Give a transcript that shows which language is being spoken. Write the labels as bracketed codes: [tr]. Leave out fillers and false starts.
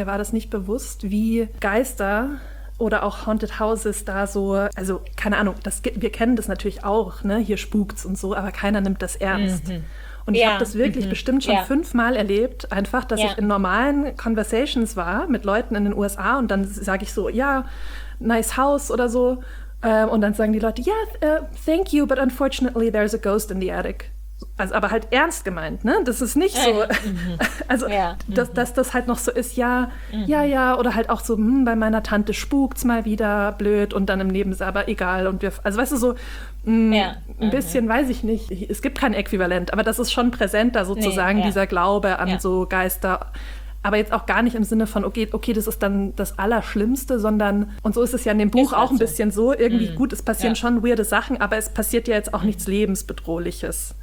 [de] Mir war das nicht bewusst, wie Geister oder auch Haunted Houses da so, also keine Ahnung, wir kennen das natürlich auch, ne? Hier spukt's und so, aber keiner nimmt das ernst. Mhm. Und ich habe das wirklich bestimmt schon fünfmal erlebt, einfach, dass ich in normalen Conversations war mit Leuten in den USA und dann sage ich so, ja, [en] nice house [de] oder so. [en] Und dann sagen die Leute, yeah, thank you, but unfortunately there's a ghost in the attic. [de] Also aber halt ernst gemeint, ne? Das ist nicht so, also dass das halt noch so ist, ja, oder halt auch so, bei meiner Tante spukt's mal wieder, blöd, und dann im Nebensatz, aber egal, und wir, also weißt du, so ein bisschen, weiß ich nicht, es gibt kein Äquivalent, aber das ist schon präsenter sozusagen, dieser Glaube an so Geister, aber jetzt auch gar nicht im Sinne von, okay, das ist dann das Allerschlimmste, sondern, und so ist es ja in dem Buch auch ein bisschen so, irgendwie gut, es passieren schon weirde Sachen, aber es passiert ja jetzt auch nichts Lebensbedrohliches.